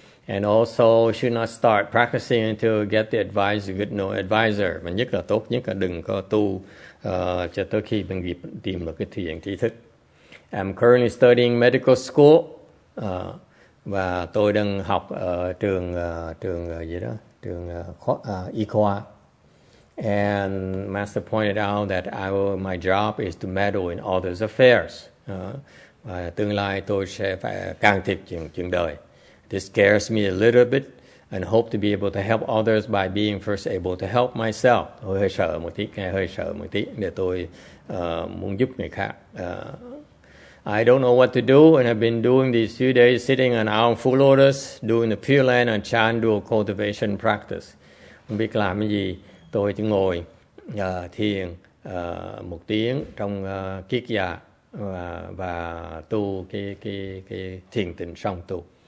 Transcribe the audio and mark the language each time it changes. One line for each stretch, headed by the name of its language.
English: And also should not start practicing until you get the advice of a good advisor.
Vietnamese: Mà nhất là tốt nhất là đừng có tu cho tới khi mình tìm được cái thiền trí thức.
English: I'm currently studying medical school.
Vietnamese: Và tôi đang học ở trường y khoa.
English: And Master pointed out that my job is to meddle in others' affairs.
Vietnamese: Và tương lai tôi sẽ phải can thiệp chuyện đời.
English: This scares me a little bit and hope to be able to help others by being first able to help myself.
Vietnamese: Tôi hơi sợ một tí, nghe hơi sợ một tí để tôi muốn giúp người khác.
English: I don't know what to do and I've been doing these few days sitting on our full lotus doing the Pure Land and Chan dual cultivation practice.
Vietnamese: Không biết làm cái gì, tôi chỉ ngồi thiền một tiếng trong kiết già và tu cái thiền tịnh song tu.